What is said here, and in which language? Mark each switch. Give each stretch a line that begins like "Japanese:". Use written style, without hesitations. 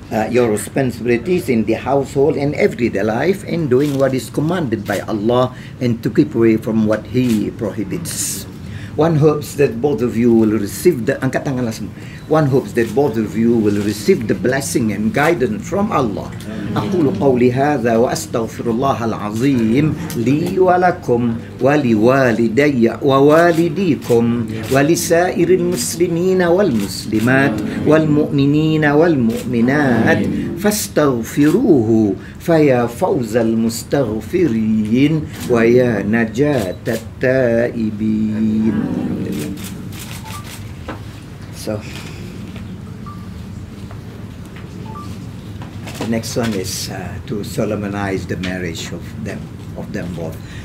English: Your responsibilities in the household and everyday life in doing what is commanded by Allah and to keep away from what He prohibits. One hopes that both of you will receive the
Malay: angkat tanganlah semua.
English: One hopes that both of you will receive the blessing and guidance from Allah.
Arabic: أقول قولي هذا وأستغفر الله العظيم لي ولكم ولوالدي ووالديكم ولسائر المسلمين والمسلمات والمؤمنين والمؤمنات فاستغفروه فيا فوز المستغفرين ويا نجاة التائبين.
English: So the next one is to solemnize the marriage of them both.